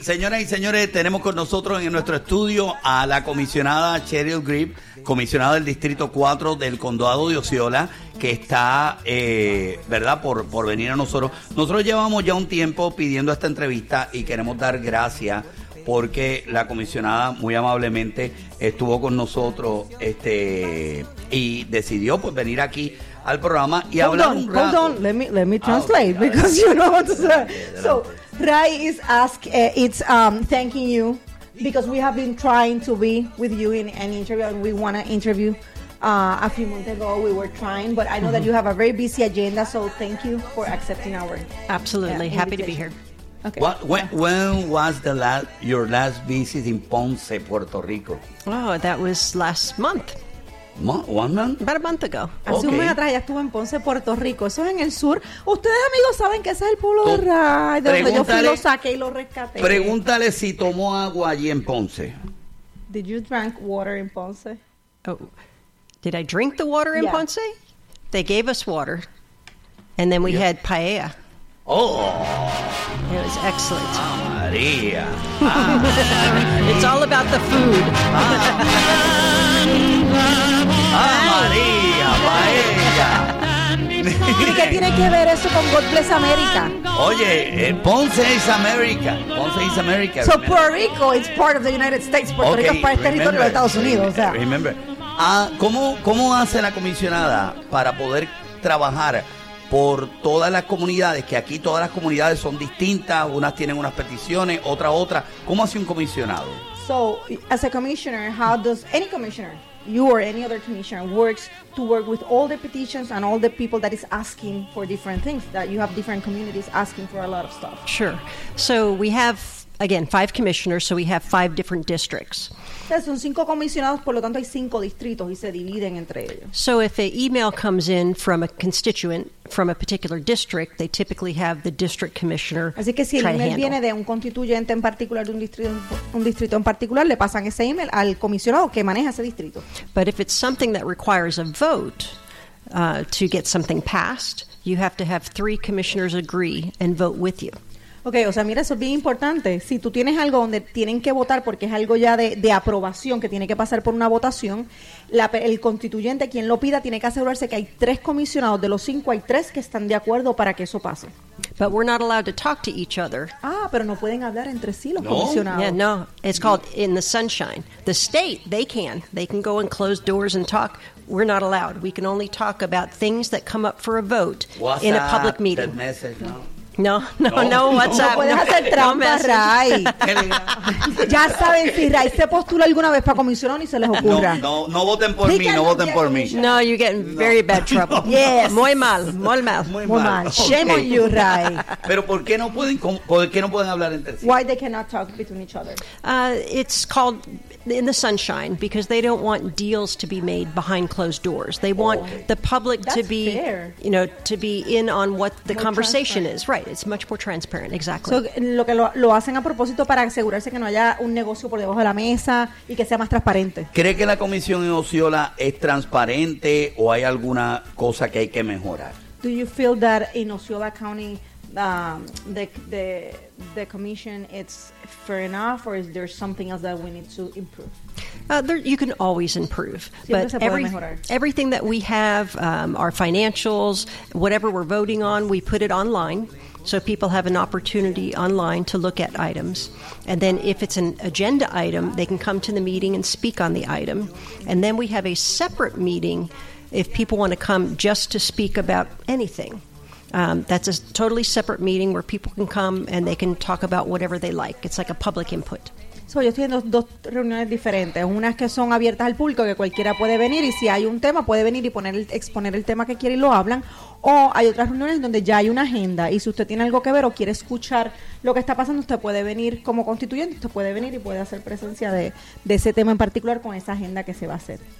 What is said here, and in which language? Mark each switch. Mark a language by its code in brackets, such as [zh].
[es] Señoras y señores, tenemos con nosotros en nuestro estudio a la comisionada Cheryl Grip, comisionada del Distrito 4 del Condado de Osceola, que está, ¿verdad?, por venir a nosotros. Nosotros llevamos ya un tiempo pidiendo esta entrevista y queremos dar gracias porque la comisionada muy amablemente estuvo con nosotros y decidió pues venir aquí al programa y [en] hold on, let me translate because you know what to say. So Ray is asking, thanking you because we have been trying to be with you in an interview and we want to interview a few months ago. We were trying, but I know that you have a very busy agenda, so thank you for accepting our absolutely happy to be here. Okay. When was your last visit in Ponce, Puerto Rico? Oh, that was last month. About a month ago. [es] Hace un mes atrás ya estuvo en Ponce, Puerto Rico. Eso es en el sur. Ustedes, amigos, saben que ese es el pueblo de Ray, de donde yo fui, lo saqué y lo rescaté. Pregúntale si tomó agua allí en Ponce. [en] Did you drink water in Ponce? Oh, did I drink the water in Ponce? They gave us water. And then we had paella. Oh! It was excellent. Ah, Maria. Ah, it's all about the food. Ah, ah, Maria, paella. [es] ¿Y qué tiene que ver eso con God Bless America? [en] Oye, Ponce is America. Ponce is America. So Puerto Rico is part of the United States. [es] Puerto Rico es parte del territorio de Estados Unidos. O sea. [en] Remember. [es] Ah, ¿cómo hace la comisionada para poder trabajar por todas las comunidades? Que aquí todas las comunidades son distintas, unas tienen unas peticiones, otras. ¿Cómo hace un comisionado? [en] So, as a commissioner, how does any commissioner, you or any other commissioner, works to work with all the petitions and all the people that is asking for different things, that you have different communities asking for a lot of stuff? Sure. So, we have, again, five commissioners, so we have five different districts. [es] Son cinco comisionados, por lo tanto hay cinco distritos y se dividen entre ellos. [en] So if an email comes in from a constituent from a particular district, they typically have the district commissioner. [es] Así que si el email viene de un constituyente en particular, de un distrito en particular, le pasan ese email al comisionado que maneja ese distrito. [en] But if it's something that requires a vote to get something passed, you have to have three commissioners agree and vote with you. [es] Okay, o sea, mira, eso es bien importante. Si tú tienes algo donde tienen que votar porque es algo ya de aprobación, que tiene que pasar por una votación, el constituyente, quien lo pida, tiene que asegurarse que hay tres comisionados. De los cinco, hay tres que están de acuerdo para que eso pase. [en] But we're not allowed to talk to each other. [es] Ah, pero no pueden hablar entre sí los comisionados. [en] Yeah, no. It's called in the sunshine. The state, they can. They can go and close doors and talk. We're not allowed. We can only talk about things that come up for a vote. What's in a public meeting. That message, no. No, WhatsApp. [es] No puedes hacer trampa, Ray. Ya saben, si Ray se postula alguna vez para comisionado, ni se les ocurra. No voten por mí, no voten por mí. [en] No, you're getting very bad trouble. Yes. [es] Muy mal. [en] Shame on you, Ray. [es] Pero ¿por qué no pueden hablar entre sí? [en] Why they cannot talk between each other? It's called in the sunshine because they don't want deals to be made behind closed doors. They want the public to be to be in on what the conversation is. Right, it's much more transparent. Exactly. [es] So lo que lo hacen a propósito para asegurarse que no haya un negocio por debajo de la mesa y que sea más transparente. ¿Cree que la comisión en Osceola es transparente o hay alguna cosa que hay que mejorar? [en] Do you feel that in Osceola County the commission it's fair enough, or is there something else that we need to improve? You can always improve. [es] Siempre [en] but everything that we have, our financials, whatever we're voting on, we put it online so people have an opportunity online to look at items. And then if it's an agenda item, they can come to the meeting and speak on the item. And then we have a separate meeting if people want to come just to speak about anything. That's a totally separate meeting where people can come and they can talk about whatever they like. It's like a public input. [es] So, yo estoy en dos reuniones diferentes. Unas que son abiertas al público, que cualquiera puede venir, y si hay un tema, puede venir y exponer el tema que quiere y lo hablan. O hay otras reuniones donde ya hay una agenda, y si usted tiene algo que ver o quiere escuchar lo que está pasando, usted puede venir como constituyente, usted puede venir y puede hacer presencia de ese tema en particular con esa agenda que se va a hacer.